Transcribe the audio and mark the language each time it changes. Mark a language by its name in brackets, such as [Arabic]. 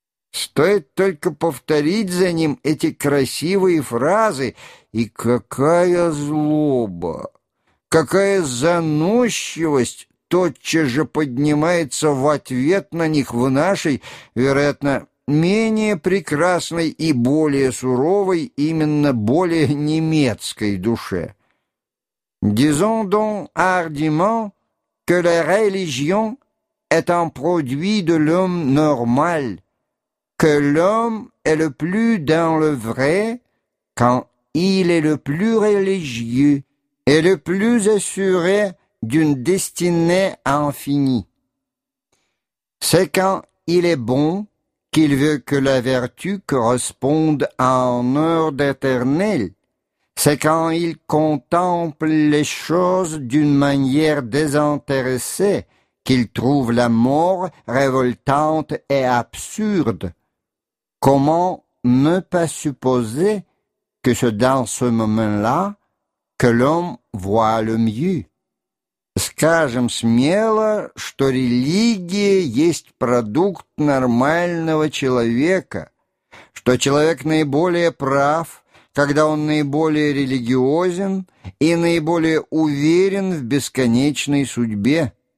[Russian] Стоит только повторить за ним эти красивые фразы, и какая злоба, какая заносчивость тотчас же поднимается в ответ на них в нашей, вероятно, менее прекрасной и более суровой, именно более немецкой душе. [French] «Disons donc hardiment que la religion est un produit de l'homme normal, que l'homme est le plus dans le vrai quand il est le plus religieux et le plus assuré d'une destinée infinie. C'est quand il est bon qu'il veut que la vertu corresponde à un ordre éternel. C'est quand il contemple les choses d'une manière désintéressée qu'il trouve la mort révoltante et absurde. Comment ne pas supposer que c'est dans ce moment-là que l'homme voit le mieux? [Russian] Скажем смело, что религия есть продукт нормального человека, что человек наиболее прав, когда он наиболее религиозен и наиболее уверен в бесконечной судьбе.